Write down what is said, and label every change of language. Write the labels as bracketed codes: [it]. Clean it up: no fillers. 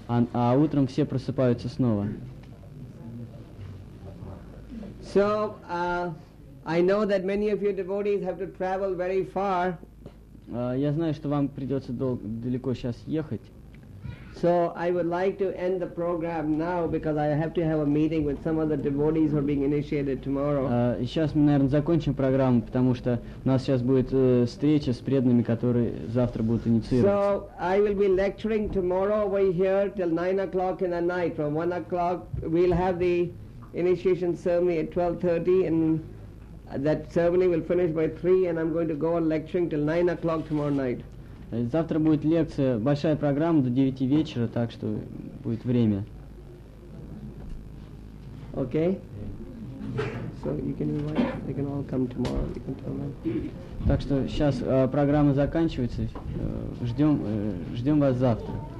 [ru] А утром все просыпаются снова. [en] So, I know that many of your devotees have to travel very far. [ru] Я знаю, что вам придется далеко сейчас ехать. [en] So, I would like to end the program now because I have to have a meeting with some of the devotees who are being initiated tomorrow. [ru] Сейчас мы, наверное, закончим программу, потому что у нас сейчас будет встреча с преданными, которые завтра будут инициироваться. [en] So, I will be lecturing tomorrow over here till 9 o'clock in the night. From 1 o'clock, we'll have the initiation ceremony at 12:30, and that ceremony will finish by 3, and I'm going to go on lecturing till 9 o'clock tomorrow night. [ru] Завтра будет лекция, большая программа до 9 вечера, так что будет время. [en] Okay. So you can invite, they can all come tomorrow. You can tell them. [ru] Так что сейчас программа заканчивается, ждем вас завтра.